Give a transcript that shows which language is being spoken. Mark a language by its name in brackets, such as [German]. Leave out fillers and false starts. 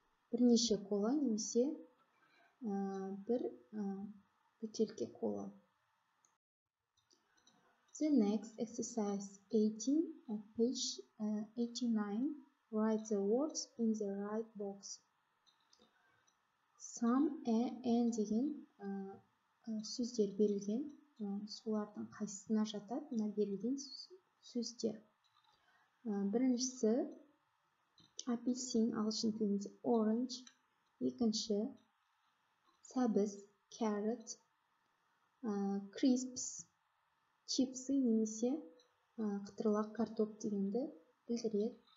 [Kazakh] Бірнеше кола немесе бір бөтелке кола. [English] The next exercise 18 at page 89. Write the words in the right box. Some and [Kazakh] деген сөздер берілген, солардың қайсысына жатады, мына берілген сөздер. Біріншісі апельсин ағылшын тілінде orange, екінші сәбіз carrot, crisps чипсы немесе қытырлақ картоп дегенді білдіреді.